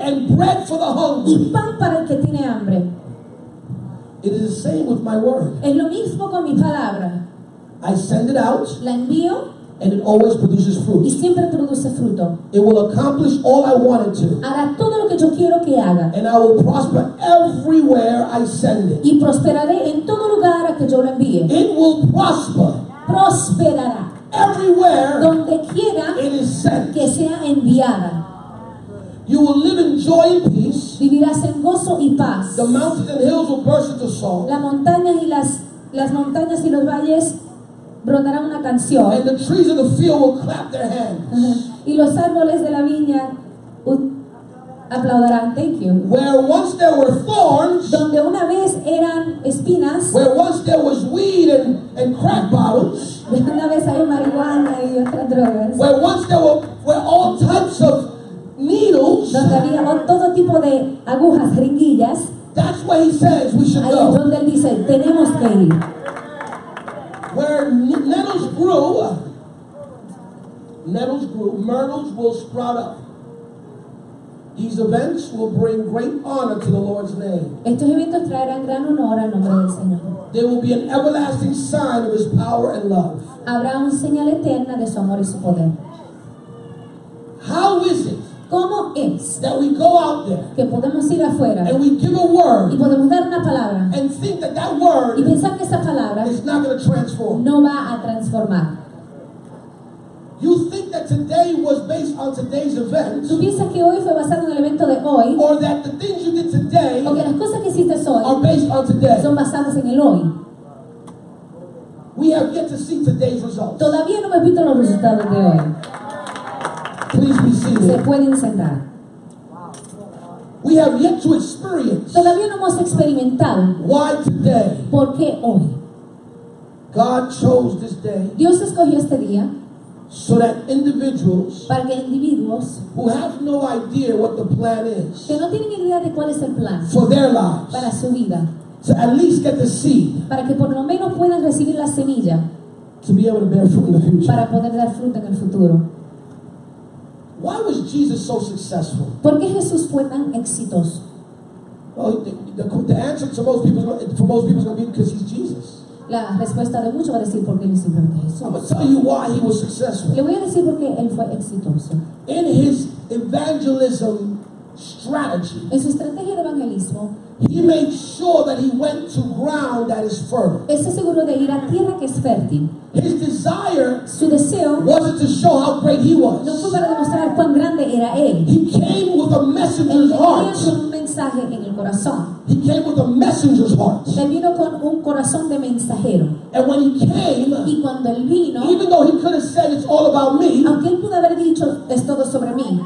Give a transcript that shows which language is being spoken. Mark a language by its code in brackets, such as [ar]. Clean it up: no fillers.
[en] and bread for the hungry, [es] y pan para el que tiene hambre. [en] It is the same with my word. [es] Es lo mismo con mi palabra. [en] I send it out, [es] la envío, [en] and it always produces fruit. [es] Y siempre produce fruto. [en] It will accomplish all I want it to. [es] Hará todo lo que yo quiero que haga. [en] And I will prosper everywhere I send it. [es] Y prosperaré en todo lugar a que yo lo envíe. [en] It will prosper. [es] Prosperará. [en] everywhere [es] donde quiera [en] it is sent. [es] Que sea enviada. [en] You will live in joy and peace. [es] Vivirás en gozo y paz. [en] The mountains and hills will burst into song. [es] La montaña y las montañas y los valles brotarán una canción. [en] And the trees of the field will clap their hands. [es] Y los árboles de la viña aplaudirán. [en] Thank you. Where once there were thorns, [es] donde una vez eran espinas, [en] where once there was weed and crack bottles, [es] donde una vez había marihuana y otras drogas, [en] where once there were all types of needles, [es] donde había todo tipo de agujas, jeringuillas, [en] that's where he says we should go. [es] Ahí es donde él dice, tenemos que ir. [en] Where nettles grew, myrtles will sprout up. These events will bring great honor to the Lord's name. [es] Estos eventos traerán gran honor al nombre del Señor. [en] There will be an everlasting sign of His power and love. [es] Habrá un señal eterna de su amor y su poder. [en] How is it? [es] ¿Cómo es? [en] That we go out there. [es] Que podemos ir afuera. [en] And we give a word. [es] Y podemos dar una palabra. [en] And think that word. [es] Y pensar que esa palabra. [en] Is not going to transform. [es] No va a transformar. [en] You think that today was based on today's event. [es] ¿Tú piensas que hoy fue basado en el evento de hoy? [en] Or that the things you did today. [es] O que las cosas que hiciste hoy. [en] Are based on today. [es] Son basadas en el hoy. [en] We have yet to see today's results. [es] Todavía no hemos visto los resultados de hoy. [en] Please be seated. [es] Se pueden sentar. [en] We have yet to experience. [es] Todavía no hemos experimentado. [en] Why today? [es] ¿Por qué hoy? [en] God chose this day. [es] Dios escogió este día. [en] So that individuals [es] para que individuos [en] who have no idea what the plan is [es] que no tienen idea de cuál es el plan [en] for their lives [es] para su vida [en] to at least get the seed [es] para que por lo menos puedan recibir la semilla [en] to be able to bear fruit in the future [es] para poder dar fruto en el futuro. [en] Why was Jesus so successful? [es] ¿Por qué Jesús fue tan exitoso? [en] Well, the answer to most people for most people is going to be because he's Jesus. [es] La respuesta de muchos va a decir por qué él es simplemente Jesús. Le voy a decir por qué él fue exitoso. [en] In his evangelism strategy, [es] en su estrategia de evangelismo, [en] he made sure that he went to ground that is fertile. [es] Él se aseguró de ir a tierra que es fértil. [en] His desire, [es] su deseo, [en] wasn't to show how great he was. [es] No fue para demostrar cuán grande era él. [en] He came with a messenger's heart. [es] Él tenía un mensaje en el corazón. [en] He came with a messenger's heart. [es] Él vino con un corazón de mensajero. [en] And when he came, [es] y cuando él vino, [en] even though he could have said it's all about me, [es] aunque él pudo haber dicho es todo sobre mí,